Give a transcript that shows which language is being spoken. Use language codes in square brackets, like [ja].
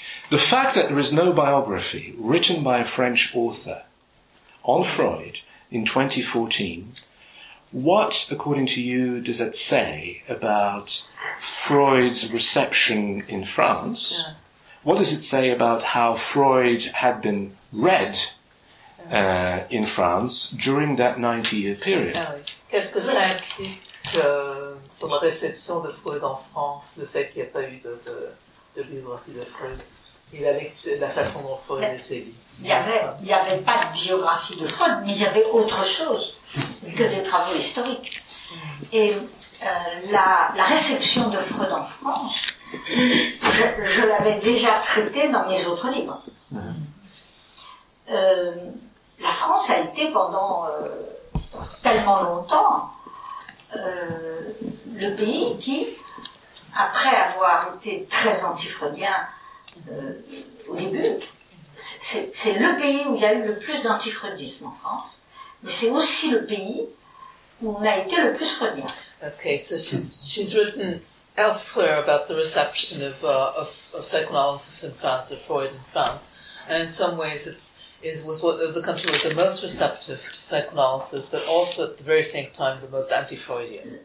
[en] The fact that there is no biography written by a French author on Freud in 2014, what, according to you, does it say about Freud's reception in France? Yeah. What does it say about how Freud had been read in France during that 90-year period? [fr] Qu'est-ce que ça implique sur la réception de Freud en France, le fait qu'il n'y a pas eu de biographie de Freud et la lecture, la façon dont Freud était lu? Il n'y avait pas de biographie de Freud, mais il y avait autre chose que des travaux historiques. Et la réception de Freud en France, je l'avais déjà traité dans mes autres livres. La France a été pendant tellement longtemps le pays qui, après avoir été très anti-freudien au début, c'est le pays où il y a eu le plus d'anti-freudisme en France, mais c'est aussi le pays où on a été le plus freudien. [en] Okay, so she's written elsewhere about the reception of psychoanalysis in France, of Freud in France. And in some ways, it was the country with the most receptive to psychoanalysis, but also at the very same time, the most anti-Freudian.